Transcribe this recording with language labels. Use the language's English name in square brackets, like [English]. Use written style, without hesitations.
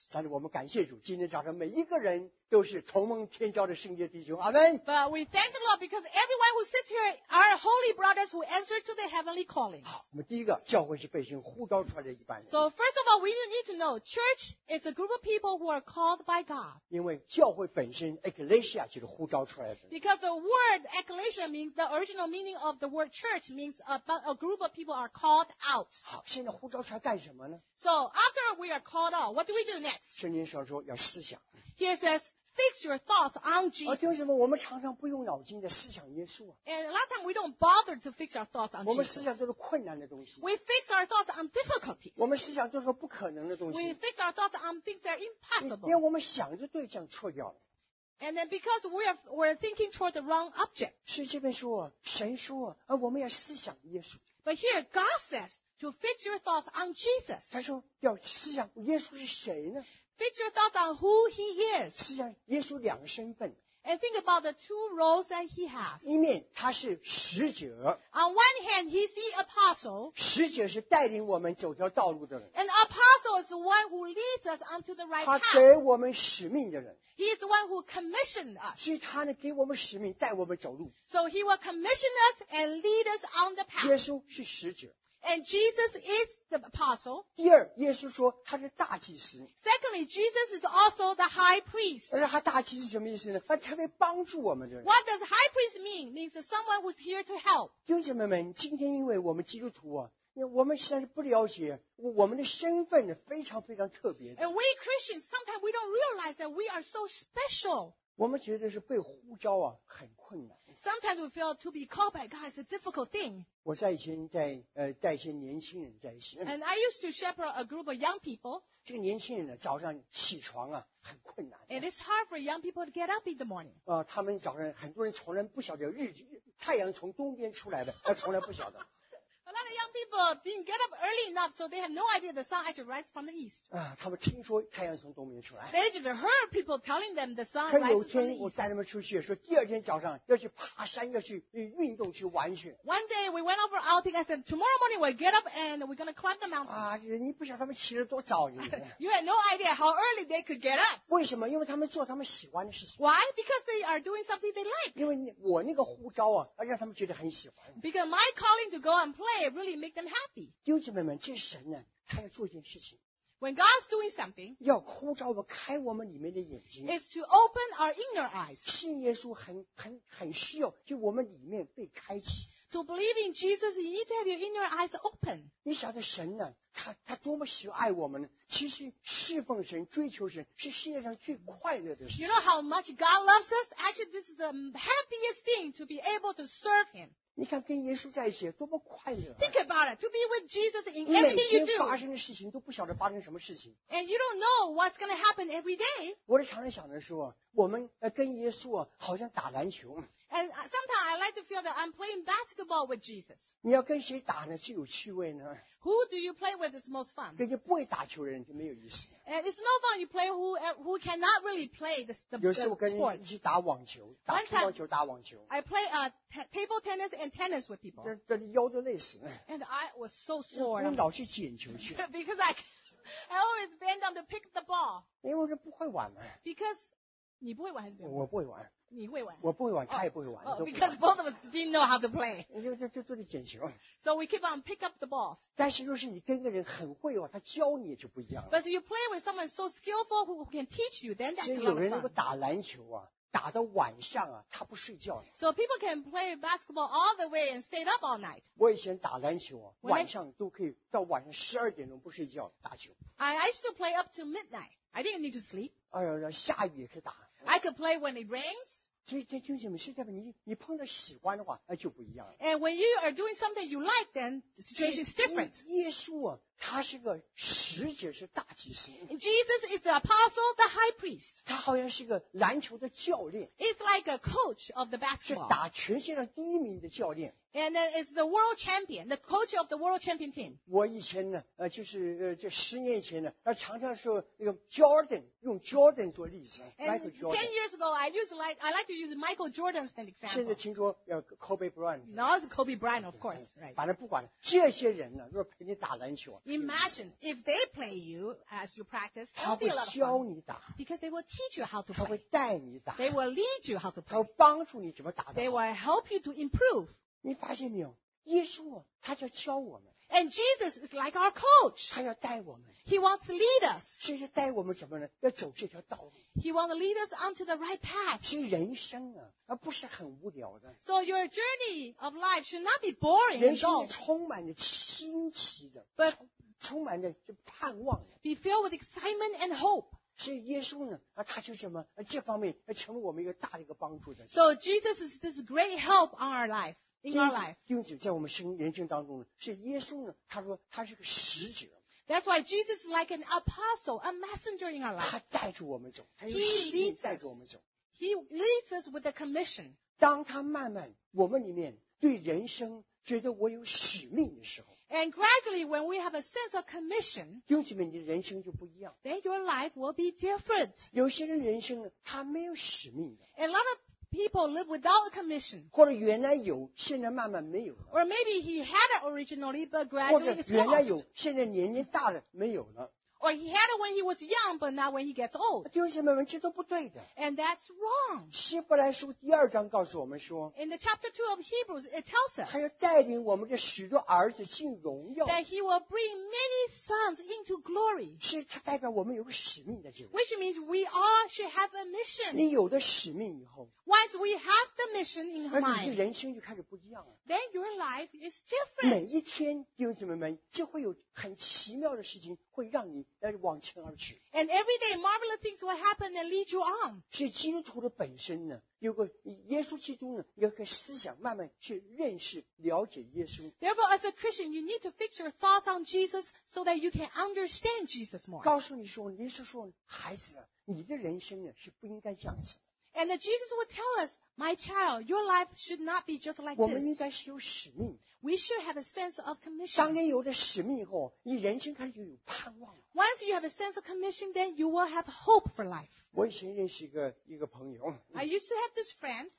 [Chinese] 但是我们感谢主今天早上每一个人都是同蒙天召的圣洁弟兄阿们 [English] But we thank the Lord because everyone who sits here are holy brothers who answer to the heavenly calling [Chinese] 好我们第一个教会是被神呼召出来的一般人 [English] So first of all we need to know church is a group of people who are called by God [Chinese] 因为教会本身 Ecclesia 就是呼召出来的 [English] Because the word Ecclesia means the original meaning of the word church means a group of people are called out [Chinese] 好现在呼召出来干什么呢 [English] So after we are called out what do we do next [Chinese] 圣经上说要思想 [English] Here it saysFix your thoughts on Jesus. [Chinese] 弟兄姐妹，我们常常不用脑筋的思想耶稣啊。 [English] And a lot of time we don't bother to fix our thoughts on Jesus. [Chinese] 我们思想都是困难的东西。 [English] We fix our thoughts on difficulties. [Chinese] 我们思想都是不可能的东西。 [English] We fix our thoughts on things that are impossible. [Chinese] 因为我们想着对象错掉了。 [English] And then because we're thinking toward the wrong object. [Chinese] 是这边说，神说，我们要思想耶稣。 [English] But here God says to fix your thoughts on Jesus. [Chinese] 他说要思想耶稣是谁呢？ [English] Fix your thoughts on who he is. [Chinese] 思想耶稣两个身份。 [English] And think about the two roles that he has. [Chinese] 一面他是使者。 [English] On one hand, he's the apostle. [Chinese] 使者是带领我们走条道路的人。 [English] An apostle is the one who leads us onto the right path. [Chinese] 他给我们使命的人。 [English] He is the one who commissioned us. [Chinese] 是他呢给我们使命，带我们走路。 [English] So he will commission us and lead us on the path. [Chinese] 耶稣是使者。 [English] And Jesus is the apostle. [Chinese] 第二，耶稣说他是大祭司。 [English] Secondly, Jesus is also the high priest. [Chinese] 而他大祭司什么意思呢？他特别帮助我们的人。 [English] What does high priest mean? Means someone who's here to help. [Chinese] 弟兄姐妹们，今天因为我们基督徒啊，我们实在是不了解我们的身份非常非常特别的。 [English] And we Christians, sometimes we don't realize that we are so special. [Chinese] 我们觉得是被呼召啊，很困难。 [English] Sometimes we feel to be called by God is a difficult thing. [Chinese] 我在以前在带一些年轻人在一起。 [English] And I used to shepherd a group of young people. [Chinese] 这个年轻人呢，早上起床啊，很困难。 [English] And it's hard for young people to get up in the morning. [Chinese] 他们早上很多人从来不晓得太阳从东边出来的，他从来不晓得。 [English] A lot of young people didn't get up early enough, so they have no idea the sun actually rises from the east. [Chinese] 他们听说太阳从东边出来。 [English] They just heard people telling them the sun rises from the east. [Chinese] 有一天我带他们出去，说第二天早上要去爬山，要去运动，去玩去。 [English] One day we went out for outing. I said, tomorrow morning we'll get up and we're going to climb the mountain. [Chinese] 你不晓得他们起得多早，你。 [English] You had no idea how early they could get up. [Chinese] 为什么？因为他们做他们喜欢的事情。 [English] Why? Because they are doing something they like. [Chinese] 因为我那个呼召啊，让他们觉得很喜欢。 [English] Because my calling to go and play. It really make them happy. [Chinese] 弟兄姐妹们，这是神呢，他要做一件事情。 [English] When God's doing something, [Chinese] 要呼召我们开我们里面的眼睛。 [English] Is to open our inner eyes. [Chinese] 信耶稣很需要，就我们里面被开启。 [English] To believe in Jesus, you need to have your inner eyes open. [Chinese] 你晓得神呢，他多么喜爱我们呢？其实侍奉神、追求神是世界上最快乐的事。 [English] You know how much God loves us? Actually, this is the happiest thing to be able to serve Him. [Chinese] 你看跟耶稣在一起多么快乐、啊、 [English] Think about it. To be with Jesus in everything you do. [Chinese] 每天发生的事情都不晓得发生什么事情。 [English] And you don't know what's going to happen every day. [Chinese] 我的常常想的是说我们跟耶稣、啊、好像打篮球。 [English] And sometimes I like to feel that I'm playing basketball with Jesus. [Chinese] 你要跟谁打呢最有趣味呢 [English] Who do you play with is most fun? [Chinese] 跟不会打球的人就没有意思。 [English] And it's no fun you play who cannot really play the sport. [Chinese] 有时候跟人一起打网球打乒乓球打网球。 [English] I play table tennis and tennis with people. [Chinese] 这腰都累死。 [English] And I was so sore. [Chinese] 你老去捡球去。 [English] Because I always bend down to pick the ball. [Chinese] 因为我不会玩嘛。 [English] Because [Chinese] 你不会玩还是不会玩我不会玩。你会玩我不会玩他也不会玩、 [English] oh, because both of us didn't know how to play [Chinese] 就得捡球 [English] so we keep on pick up the balls [Chinese] 但是若是你跟一个人很会、哦、他教你就不一样了 [English] but if you play with someone so skillful who can teach you then that's a lot of fun [Chinese] 有人能够打篮球啊打到晚上啊他不睡觉 [English] so people can play basketball all the way and stay up all night [Chinese] 我以前打篮球啊晚上都可以到晚上十二点钟不睡觉打球 [English] I used to play up to midnight I didn't need to sleep [Chinese] 下雨也可以打 [English] I could play when it rains. [Chinese] 所以弟兄姐妹，是代表你碰到喜欢的话，那就不一样了。 [English] And when you are doing something you like, then the situation is different. [Chinese] 耶稣啊，他是个使者，是大祭司。 [English] Jesus is the apostle, the high priest. [Chinese] 他好像是个篮球的教练。 [English] It's like a coach of the basketball. [Chinese] 是打全世界第一名的教练。 [English] And then it's the world champion, the coach of the world champion team. [Chinese] 我以前呢，就是这十年前呢，他常常说那个 Jordan 用 Jordan 做例子 ，Michael Jordan. [English] And 10 years ago, I like to use Michael Jordan's an example. [Chinese] 现在听说要 Kobe Bryant. [English] Now it's Kobe Bryant, of course. Right. [Chinese] 反正不管了，这些人呢，若陪你打篮球 [English] ，Imagine if they play you as you practice, that would be a lot of fun. [Chinese] 他会教你打 [English] ，because they will teach you how to play. [Chinese] 他会带你打 [English] ，they will lead you how to play. [Chinese] 他会帮助你怎么打得好 [English] ，they will help you to improve. [Chinese] 你发现没有耶稣、啊、他就教我们 [English] And Jesus is like our coach [Chinese] 他要带我们 [English] He wants to lead us [Chinese] 所以带我们什么呢要走这条道路 [English] He wants to lead us onto the right path [Chinese] 所以人生啊不是很无聊的 [English] So your journey of life should not be boring [Chinese] 人生是充满着新奇的 [English] But [Chinese] 充满着盼望 [English] Be filled with excitement and hope [Chinese] 所以耶稣呢他就什么这方面成为我们一个大的一个帮助的 [English] So Jesus is this great help on our life In our life. [Chinese] 因此在我们生人生当中呢是耶稣呢他说他是个使者。 [English] That's why Jesus is like an apostle, a messenger in our life. [Chinese] 他带着我们走他用使命带着我们走。 [English] He leads us with a commission. [Chinese] 当他慢慢我们里面对人生觉得我有使命的时候。 [English] And gradually, when we have a sense of commission, [Chinese] 弟兄姐妹，你的人生就不一样。 [English] Then your life will be different. [Chinese] 有些人人生他没有使命的。 [English] A lot of people live without a commission. [Chinese] 或者原来有，现在慢慢没有了。 [English] Or maybe he had it originally, but gradually it's lost. [Chinese] 或者原来有，现在年龄大了没有了。 [English] Or he had it when he was young, but not when he gets old. [Chinese] 弟兄姐妹们，这都不对的。 [English] And that's wrong. [Chinese] 希伯来书第二章告诉我们说 [English] ，In the chapter 2 of Hebrews, it tells us [Chinese] 他要带领我们的许多儿子进荣耀。 [English] That he will bring many sons into glory. [Chinese] 是他代表我们有个使命的这个。 [English] Which means we all should have a mission. [Chinese] 你有的使命以后 [English] ，Once we have the mission in mind, [Chinese] 你的人生就开始不一样了。 [English] Then your life is different. [Chinese] 每一天，弟兄姐妹们，就会有很奇妙的事情会让你。 [English] And every day, marvelous things will happen and lead you on. [Chinese] 是基督徒的本身呢，有个耶稣基督呢，有个思想慢慢去认识、了解耶稣。 [English] Therefore, as a Christian, you need to fix your thoughts on Jesus so that you can understand Jesus more. [Chinese] 告诉你说，耶稣说，孩子啊，你的人生呢是不应该这样子。 [English] And Jesus would tell us, my child, your life should not be just like this. [Chinese] 我们应该是有使命。 [English] We should have a sense of commission. [Chinese] 当你有了使命以后，你人生开始就有盼望了。 [English] Once you have a sense of commission, then you will have hope for life. [Chinese] 我以前认识一个朋友。 [English] I used to have this friend.